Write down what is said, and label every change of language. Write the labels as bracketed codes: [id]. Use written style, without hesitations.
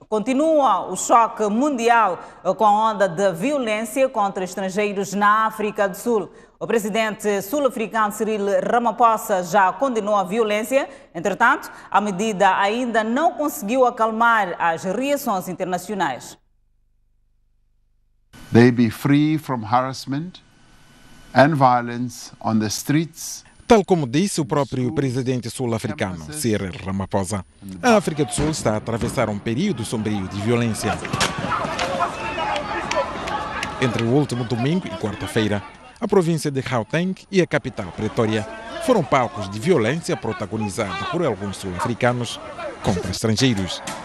[pt] Continua o choque mundial com a onda de violência contra estrangeiros na África do Sul. O presidente sul-africano Cyril Ramaphosa já condenou a violência. Entretanto, a medida ainda não conseguiu acalmar as reações internacionais. [en] They be free from harassment and violence on the streets. [pt] Tal como disse o próprio presidente sul-africano, Cyril Ramaphosa, a África do Sul está a atravessar um período sombrio de violência. Entre o último domingo e quarta-feira, a província de Gauteng e a capital Pretória foram palcos de violência protagonizada por alguns sul-africanos contra estrangeiros.